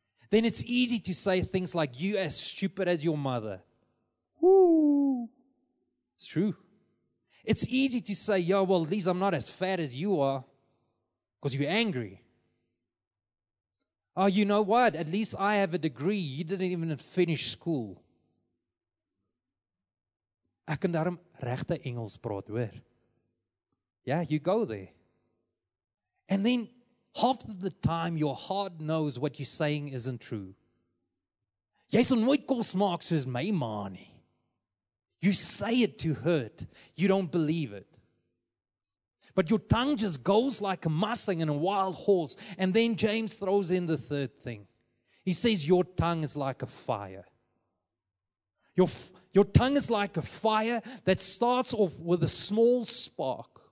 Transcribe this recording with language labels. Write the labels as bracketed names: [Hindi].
[English] Then it's easy to say things like, you as stupid as your mother. Woo! It's true. It's easy to say, yo, well, at least I'm not as fat as you are because you're angry. Oh, you know what? At least I have a degree. You didn't even finish school. [Afrikaans] Ek kan daarom regte Engels praat, hoor. [English] Yeah, you go there. And then half of the time your heart knows what you're saying isn't true. [Afrikaans] Jy sal nooit kos maak soos my ma nie. [English] You say it to hurt. You don't believe it. But your tongue just goes like a Mustang and a wild horse. And then James throws in the third thing. He says your tongue is like a fire. Your tongue is like a fire that starts off with a small spark.